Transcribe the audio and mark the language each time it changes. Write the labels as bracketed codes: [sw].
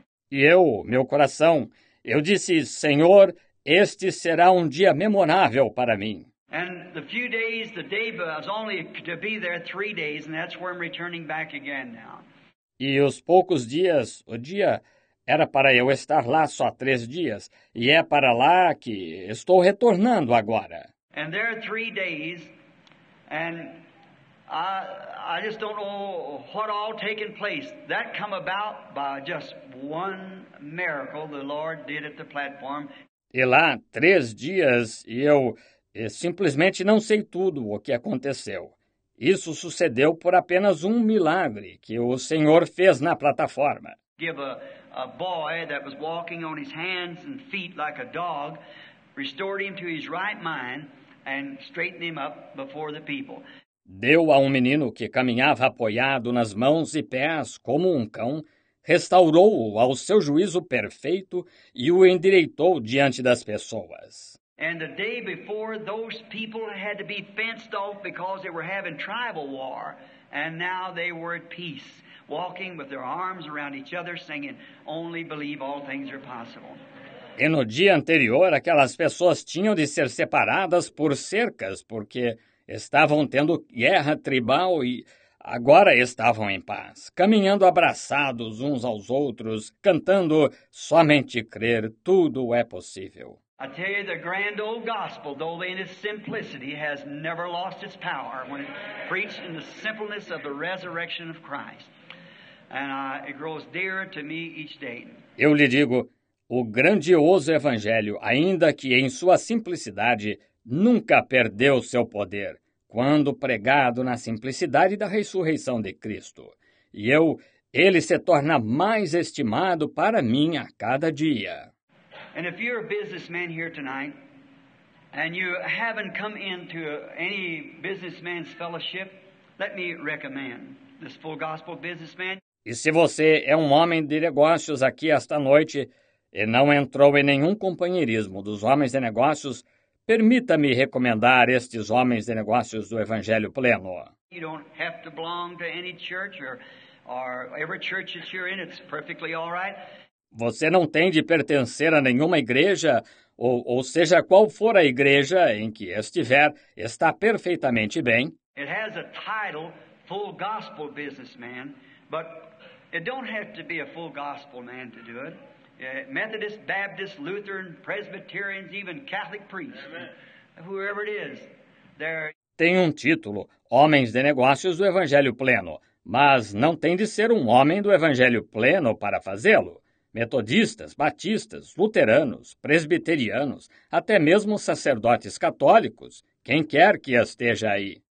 [pt] E eu, meu coração, eu disse, Senhor, este será um dia memorável para mim. [en] And the few days, the day, but I was only to be there 3 days, and that's where I'm returning back again now. [pt] E os poucos dias, o dia, era para eu estar lá só 3 dias, e é para lá que estou retornando agora. [en] And there are 3 days, and I just don't know what all taken place. That come about by just one miracle the Lord did at the platform. [pt] E lá, 3 dias, e eu... E simplesmente não sei tudo o que aconteceu. Isso sucedeu por apenas um milagre que o Senhor fez na plataforma. [en] Give a boy that was walking on his hands and feet like a dog, restored him to his right mind and straightened him up before the people. [pt] Deu a um menino que caminhava apoiado nas mãos e pés como um cão, restaurou-o ao seu juízo perfeito e o endireitou diante das pessoas. [en] And the day before, those people had to be fenced off because they were having tribal war. And now they were at peace, walking with their arms around each other, singing, Only believe all things are possible. [pt] E no dia anterior, aquelas pessoas tinham de ser separadas por cercas, porque estavam tendo guerra tribal e agora estavam em paz, caminhando abraçados uns aos outros, cantando, Somente crer, tudo é possível. [en] I tell you, the grand old gospel, though in its simplicity, has never lost its power when it's preached in the simpleness of the resurrection of Christ. And it grows dearer to me each day. [pt] Eu lhe digo, o grandioso evangelho, ainda que em sua simplicidade, nunca perdeu seu poder, quando pregado na simplicidade da ressurreição de Cristo. E ele se torna mais estimado para mim a cada dia. [en] And if you're a businessman here tonight, and you haven't come into any businessman's fellowship, let me recommend this full gospel businessman. [pt] E se você é um homem de negócios aqui esta noite e não entrou em nenhum companheirismo dos homens de negócios, permita-me recomendar estes homens de negócios do Evangelho Pleno. [en] You don't have to belong to any church or every church that you're in. It's perfectly all right. [pt] Você não tem de pertencer a nenhuma igreja, ou seja, qual for a igreja em que estiver, está perfeitamente bem. [en] It has a title, full gospel businessman, but it don't have to be a full gospel man to do it. Methodist, Baptist, Lutheran, Presbyterians, even Catholic priests, whoever it is. [pt] Tem um título, Homens de Negócios do Evangelho Pleno, mas não tem de ser um homem do Evangelho Pleno para fazê-lo. Metodistas, batistas, luteranos, presbiterianos, até mesmo sacerdotes católicos, quem quer que esteja aí.